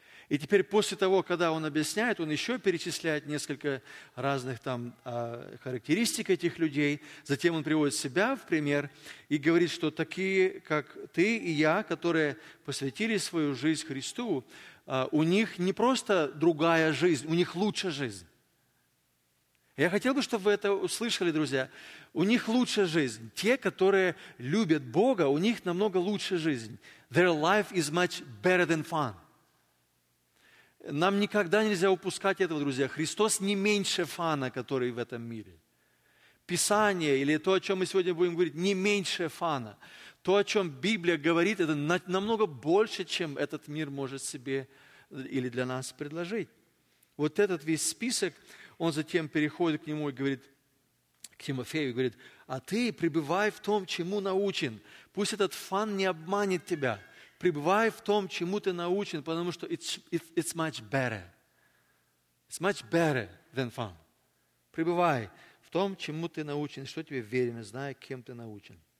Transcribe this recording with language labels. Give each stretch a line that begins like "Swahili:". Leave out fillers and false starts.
Russian: И теперь после того, когда он объясняет, он еще перечисляет несколько разных там характеристик этих людей, затем он приводит себя в пример и говорит, что такие, как ты и я, которые посвятили свою жизнь Христу, у них не просто другая жизнь, у них лучшая жизнь. Я хотел бы, чтобы вы это услышали, друзья. У них лучшая жизнь. Те, которые любят Бога, у них намного лучшая жизнь.
English: Their life is much better than fun.
Russian: Нам никогда нельзя упускать этого, друзья. Христос не меньше фана, который в этом мире. Писание, или то, о чем мы сегодня будем говорить, не меньше фана. То, о чем Библия говорит, это намного больше, чем этот мир может себе или для нас предложить. Вот этот весь список, он затем переходит к нему и говорит, к Тимофею, и говорит: а ты пребывай в том, чему научен. Пусть этот фан не обманет тебя. Пребывай в том, чему ты научен, потому что
English: it's much better. It's much better than fun.
Russian: Пребывай в том, чему ты научен, что тебе верено, зная, кем ты научен.